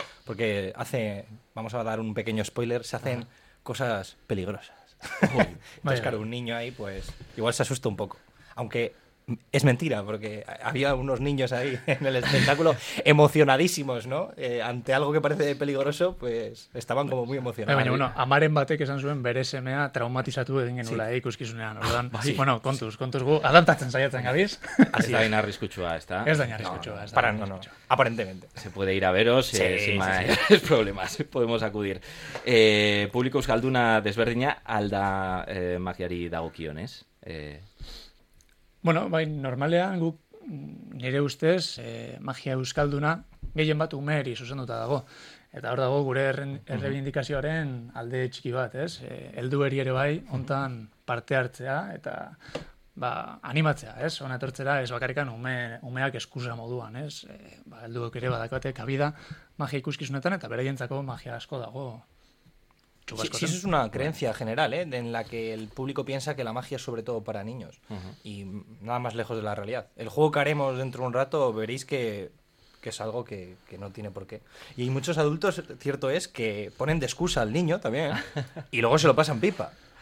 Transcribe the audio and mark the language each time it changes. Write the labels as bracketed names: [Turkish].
[Spanish] Porque vamos a dar un pequeño spoiler, se hacen cosas peligrosas. Entonces, claro, un niño ahí, pues igual se asusta un poco. Aunque es mentira, porque había unos niños ahí en el espectáculo emocionadísimos, ¿no? Ante algo que parece peligroso, pues estaban como muy emocionados. [Basque] Baina, bueno, amaren batek esan zuen bere semea traumatizatu egin genula ikuskizunean, ordan. Bueno, kontuz gu, adaptatzen saiatzen gabiz. Así da inarriskutsua, ¿está? Es da inarriskutsua, [Spanish] ¿está? Para, no, aparentemente. Se puede ir a veros, sin más problemas, podemos acudir. [Basque] Público euskalduna desberdina alda magiari dagokion, ¿es? Bueno, bai, normalean guk nire ustez magia euskalduna gehien bat umeri zuzenduta dago. Eta hor dago gure errebindikazioaren alde txiki bat, ez? Helduei ere bai, hontan parte hartzea eta ba, animatzea, ez? Hona etortzera ez bakarrikan umeak eskusa moduan, ez? Ba, helduek ere badakate kabida magia ikuskizunetan eta beraientzako magia asko dago. [Spanish] Sí, sí, eso es una creencia general, ¿eh? En la que el público piensa que la magia es sobre todo para niños. Uh-huh. Y nada más lejos de la realidad. El juego que haremos dentro de un rato veréis que es algo que no tiene por qué. Y hay muchos adultos, cierto es, que ponen de excusa al niño también, ¿eh? Y luego se lo pasan pipa.